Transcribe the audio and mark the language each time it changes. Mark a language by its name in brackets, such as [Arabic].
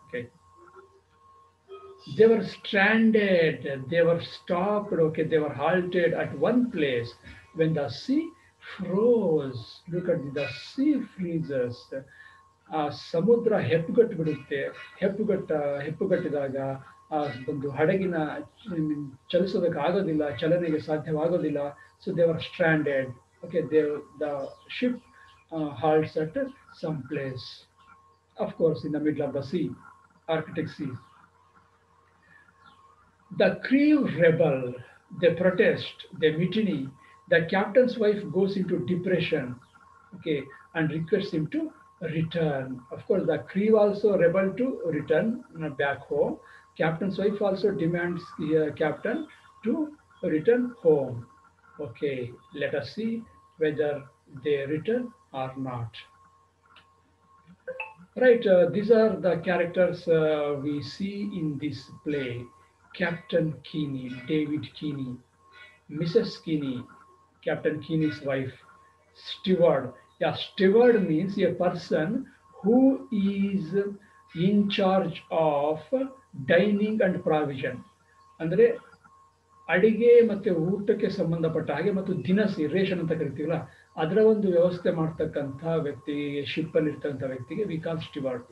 [English] Okay, they were stranded, they were stopped, okay, they were halted at one place when the sea froze. Look at the sea freezes. [Kannada] Samudra heppugattibidutte, heppugattidaga ಒಂದು ಹಡಗಿನ ಚಲಿಸೋದಕ್ಕೆ ಆಗೋದಿಲ್ಲ, ಚಲನೆಗೆ ಸಾಧ್ಯವಾಗೋದಿಲ್ಲ. [English] So they were stranded. Okay, they've the ship halts at some place, of course in the middle of the sea, arctic sea. The crew rebel, they protest, they mutiny. The captain's wife goes into depression, okay, and request him to return. Of course the crew also rebel to return back home. Captain's wife also demands the captain to return home. Okay, let us see whether they return or not. Right, these are the characters we see in this play. Captain Keeney, David Keeney, Mrs. Keeney, Captain Keeney's wife, steward. Yeah, steward means a person who is in charge of dining and provision, [Kannada] ಅಂದರೆ ಅಡಿಗೆ ಮತ್ತು ಊಟಕ್ಕೆ ಸಂಬಂಧಪಟ್ಟ ಹಾಗೆ, ಮತ್ತು ದಿನಸಿ ration ಅಂತ ಕರಿತೀವಲ್ಲ, ಅದರ ಒಂದು ವ್ಯವಸ್ಥೆ ಮಾಡ್ತಕ್ಕಂಥ ವ್ಯಕ್ತಿ, ಶಿಪ್ಪಲ್ಲಿ ಇರ್ತಕ್ಕಂಥ ವ್ಯಕ್ತಿಗೆ [English] We call steward.